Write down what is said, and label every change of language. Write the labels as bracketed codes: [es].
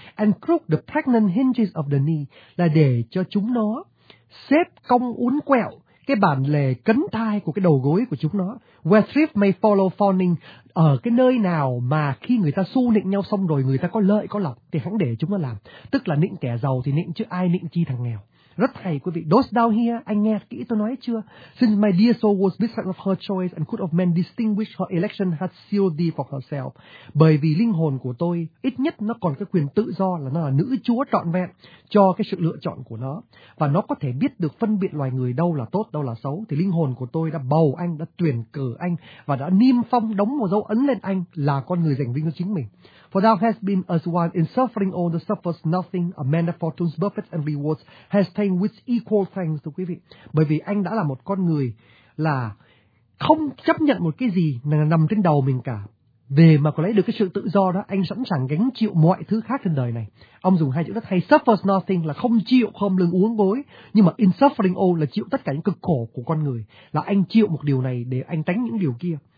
[en] And crook the pregnant hinges of the knee, [vi] là để cho chúng nó xếp cong uốn quẹo cái bản lề cấn thai của cái đầu gối của chúng nó. [en] Where thrift may follow fawning, [vi] ở cái nơi nào mà khi người ta xu nịnh nhau xong rồi, người ta có lợi có lộc thì hẳn để chúng nó làm. Tức là nịnh kẻ giàu thì nịnh, chứ ai nịnh chi thằng nghèo. Rất hay quý vị. [en] Dost thou hear? [vi] Anh nghe kỹ tôi nói chưa? [en] Since my dear soul was beside of her choice and could of men distinguish her election had sealed thee for herself. [vi] Bởi vì linh hồn của tôi ít nhất nó còn cái quyền tự do là nó là nữ chúa trọn vẹn cho cái sự lựa chọn của nó. Và nó có thể biết được phân biệt loài người đâu là tốt, đâu là xấu. Thì linh hồn của tôi đã bầu anh, đã tuyển cử anh và đã niêm phong đóng một dấu ấn lên anh là con người giành vinh cho chính mình. [en] For thou hast been as one in suffering all that suffers nothing, a man of fortunes, buffets and rewards has taken with equal thanks, [vi] thưa quý vị. Bởi vì anh đã là một con người là không chấp nhận một cái gì nằm trên đầu mình cả. Về mà có lấy được cái sự tự do đó, anh sẵn sàng gánh chịu mọi thứ khác trên đời này. Ông dùng hai chữ rất hay, [en] suffers nothing [vi] là không chịu khom lưng uốn gối, nhưng mà [en] in suffering all [vi] là chịu tất cả những cực khổ của con người, là anh chịu một điều này để anh tránh những điều kia.